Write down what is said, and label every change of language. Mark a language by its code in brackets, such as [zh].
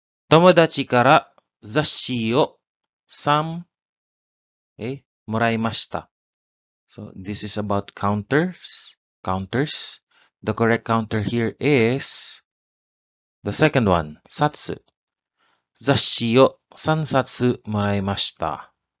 [ja] 友達から雑誌を3 もらいました. [en] So this is about counters. The correct counter here is the second one, 冊. [ja] 雑誌を3冊もらいました.